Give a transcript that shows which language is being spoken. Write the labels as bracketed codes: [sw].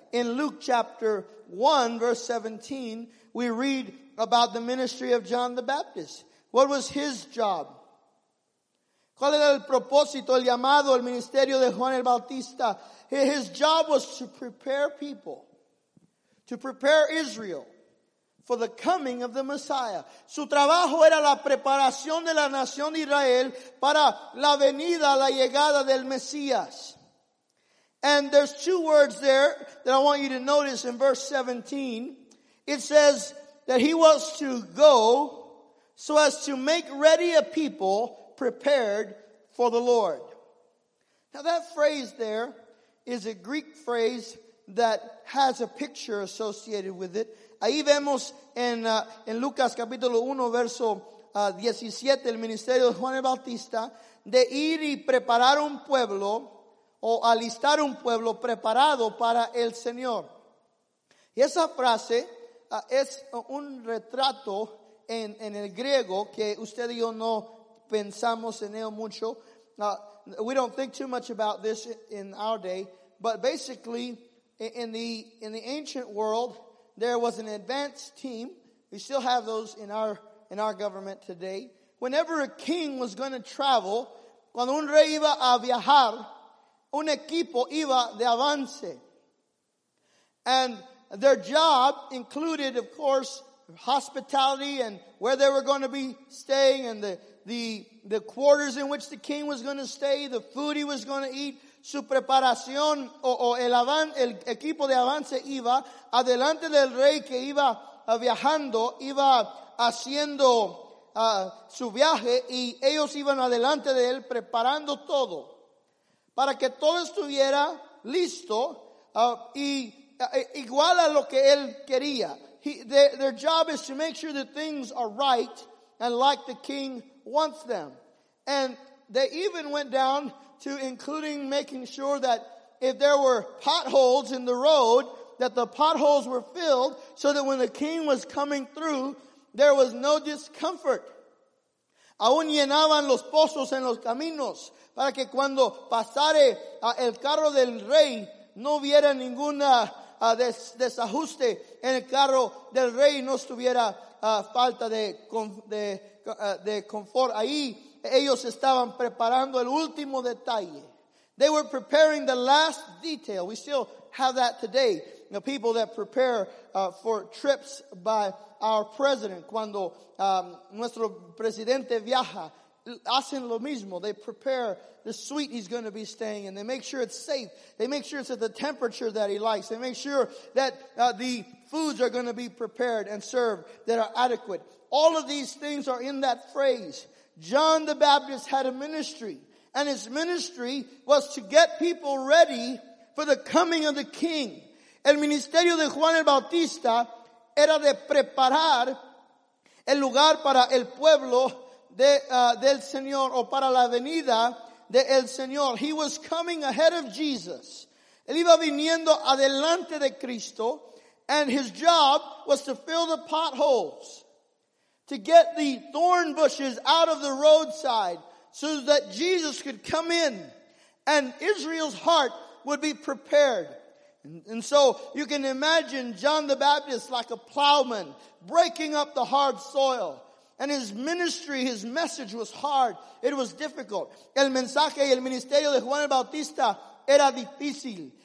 [en] In Luke chapter 1, verse 17, we read about the ministry of John the Baptist. What was his job? [es] ¿Cuál era el propósito, el llamado, el ministerio de Juan el Bautista? [en] His job was to prepare people, to prepare Israel for the coming of the Messiah. [es] Su trabajo era la preparación de la nación de Israel para la venida, la llegada del Mesías. [en] And there's two words there that I want you to notice in verse 17. It says that he was to go so as to make ready a people prepared for the Lord. Now that phrase there is a Greek phrase that has a picture associated with it. [es] Ahí vemos en Lucas capítulo 1 verso 17 el ministerio de Juan el Bautista de ir y preparar un pueblo o alistar un pueblo preparado para el Señor. Y esa frase es un retrato en el griego que usted y yo no pensamos en él mucho. [en] We don't think too much about this in our day, but basically in the ancient world there was an advanced team. We still have those in our government today. Whenever a king was going to travel, [es] cuando un rey iba a viajar, un equipo iba de avance. [en] And their job included, of course, hospitality and where they were going to be staying and the quarters in which the king was going to stay, the food he was going to eat. [es] Su preparación el equipo de avance iba adelante del rey que iba viajando, iba haciendo su viaje y ellos iban adelante de él preparando todo para que todo estuviera listo igual a lo que él quería. [en] Their job is to make sure that things are right and like the king wants them. And they even went down to including making sure that if there were potholes in the road, that the potholes were filled so that when the king was coming through, there was no discomfort. [es] Aún llenaban los pozos en los caminos para que cuando pasare el carro del rey, no hubiera ninguna desajuste en el carro del rey, no estuviera falta de confort. Ahí ellos estaban preparando el último detalle. [en] They were preparing the last detail. We still have that today. The people that prepare for trips by our president. [es] Cuando nuestro presidente viaja, hacen lo mismo. [en] They prepare the suite he's going to be staying in. They make sure it's safe. They make sure it's at the temperature that he likes. They make sure that the foods are going to be prepared and served that are adequate. All of these things are in that phrase. John the Baptist had a ministry, and his ministry was to get people ready for the coming of the king. [es] El ministerio de Juan el Bautista era de preparar el lugar para el pueblo del Señor o para la venida del Señor. [en] He was coming ahead of Jesus. [es] Él iba viniendo adelante de Cristo, [en] and his job was to fill the potholes, to get the thorn bushes out of the roadside so that Jesus could come in and Israel's heart would be prepared. And so you can imagine John the Baptist like a plowman breaking up the hard soil. And his ministry, his message was hard. It was difficult. [es] El mensaje y el ministerio de Juan el Bautista era difícil.